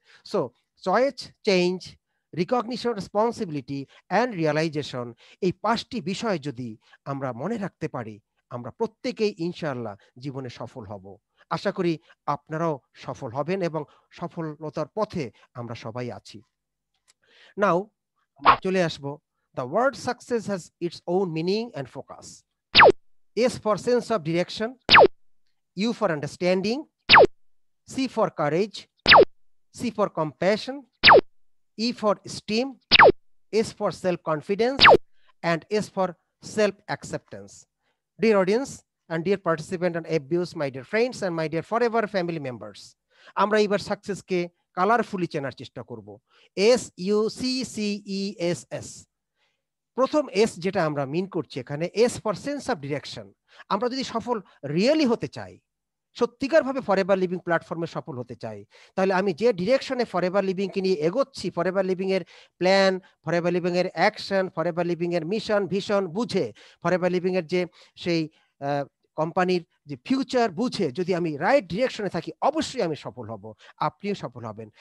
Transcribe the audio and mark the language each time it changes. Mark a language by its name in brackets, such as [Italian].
[Bangla] So choice, change, recognition, responsibility and realisation, এই পাঁচটি বিষয় যদি আমরা মনে রাখতে পারি, আমরা প্রত্যেকেই ইনশাআল্লাহ জীবনে সফল হব। আশা করি আপনারাও সফল হবেন এবং সফলতার পথে আমরা সবাই আছি। [English] now [Bangla] চলে আসবো, [English] The word success has its own meaning and focus. S for sense of direction, U for understanding, C for courage, C for compassion, E for esteem, S for self-confidence, and S for self-acceptance. Dear audience and dear participant and FBOs, my dear friends and my dear forever family members, [Bangla] আমরা এবার success কে colourfully চেনার চেষ্টা করব। SUCCESS প্রথম S যেটা আমরা মিন করছি এখানে, [English] S for sense of direction. [Bangla] আমরা যদি সফল রিয়েলি হতে চাই, সত্যিকারভাবে ফরএভার লিভিং প্ল্যাটফর্মে সফল হতে চাই, তাহলে আমি যে ডিরেকশনে ফরএভার লিভিংকে নিয়ে এগোচ্ছি, forever লিভিংয়ের plan, forever লিভিংয়ের action, forever লিভিংয়ের mission vision বুঝে, ফরএভার লিভিংয়ের যে সেই কোম্পানির যে ফিউচার বুঝে, যদি আমি রাইট ডিরেকশনে থাকি, অবশ্যই আমি সফল হব, আপনিও সফল হবেন।